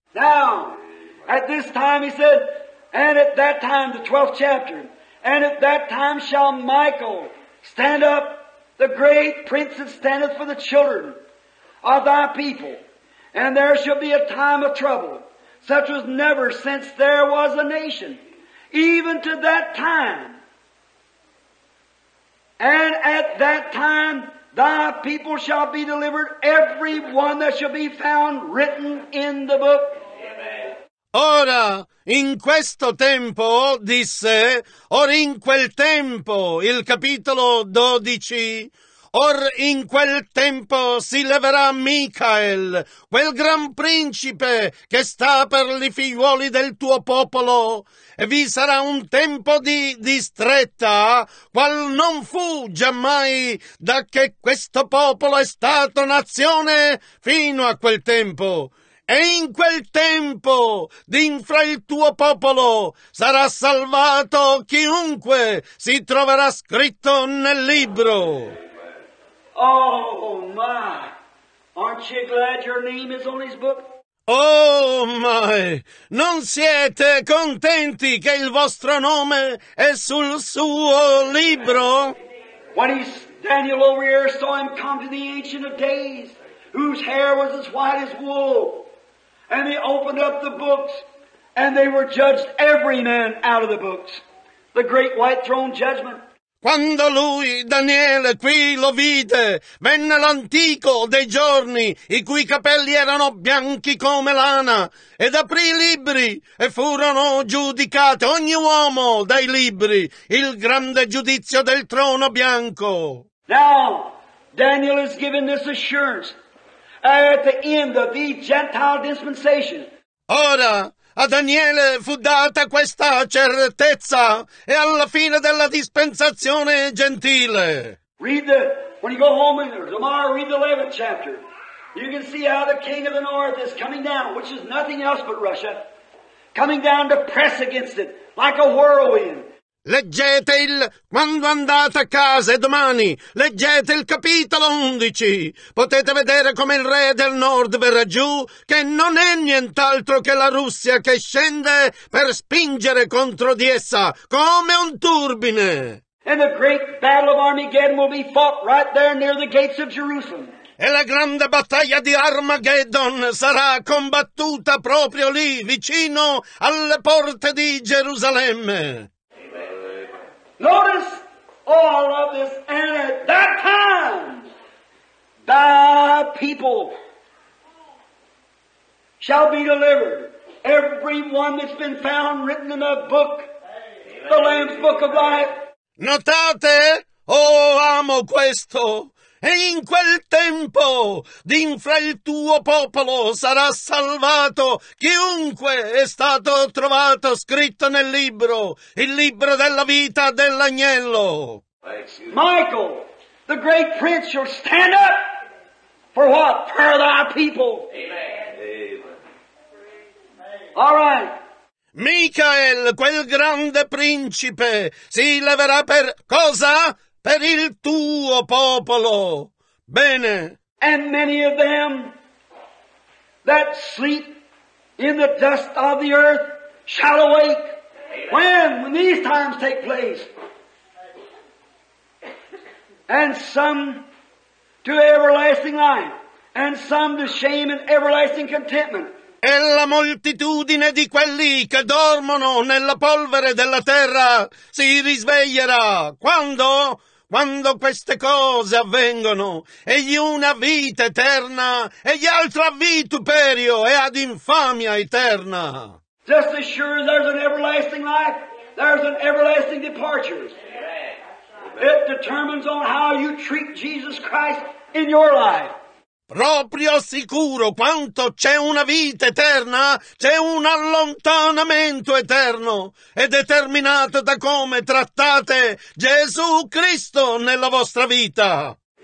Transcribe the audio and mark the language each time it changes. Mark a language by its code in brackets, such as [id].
[en] Now, at this time, he said, and at that time, the 12th chapter, and at that time shall Michael stand up, the great prince that standeth for the children of thy people, and there shall be a time of trouble, such was never since there was a nation, even to that time. And at that time, thy people shall be delivered, every one that shall be found written in the book. [it] Ora, in questo tempo, disse, or in quel tempo, il capitolo 12, or in quel tempo si leverà Michael, quel gran principe che sta per i figliuoli del tuo popolo, e vi sarà un tempo di distretta, qual non fu giammai da che questo popolo è stato nazione fino a quel tempo. E in quel tempo, din fra il tuo popolo, sarà salvato chiunque si troverà scritto nel libro. [en] Oh, my! Aren't you glad your name is on his book? Oh, my! [it] Non siete contenti che il vostro nome è sul suo libro? [en] When he's Daniel over here saw him come to the Ancient of Days, whose hair was as white as wool, and they opened up the books, and they were judged every man out of the books. The great white throne judgment. [it] Quando lui, Daniele, qui lo vide, venne l'antico dei giorni, i cui capelli erano bianchi come lana, ed aprì i libri, e furono giudicati ogni uomo dai libri, il grande giudizio del trono bianco. [en] Now, Daniel is given this assurance. At the end of the Gentile dispensation. [it] Ora, a Daniele fu data questa certezza e alla fine della dispensazione gentile. [en] Read the, when you go home tomorrow, read the 11th chapter. You can see how the king of the north is coming down, which is nothing else but Russia, coming down to press against it like a whirlwind. [it] Leggete il quando andate a casa e domani leggete il capitolo 11. Potete vedere come il re del nord verrà giù, che non è nient'altro che la Russia che scende per spingere contro di essa come un turbine. [en] And the great battle of Armageddon will be fought right there near the gates of Jerusalem. [it] E la grande battaglia di Armageddon sarà combattuta proprio lì, vicino alle porte di Gerusalemme. [en] Notice, oh, I love this, and at that time, thy people shall be delivered. Everyone that's been found written in that book, the Lamb's Book of Life. [it] Notate, oh, amo questo. E in quel tempo, din fra il tuo popolo, sarà salvato chiunque è stato trovato scritto nel libro, il libro della vita dell'agnello. [en] Michael, the great prince, shall stand up for what? For thy people. Amen. All right. [it] Michael, quel grande principe, si leverà per cosa? Per il tuo popolo. Bene. [en] And many of them that sleep in the dust of the earth shall awake. Amen. When these times take place. And some to everlasting life. And some to shame and everlasting contentment. [it] E la moltitudine di quelli che dormono nella polvere della terra si risveglierà. Quando? Quando queste cose avvengono, e gli uni a vita eterna, e gli altri a vituperio e ad infamia eterna. [en] Just as sure as there's an everlasting life, there's an everlasting departure. It determines on how you treat Jesus Christ in your life. [it] Proprio sicuro quanto c'è una vita eterna, c'è un allontanamento eterno, è determinato da come trattate Gesù Cristo nella vostra vita.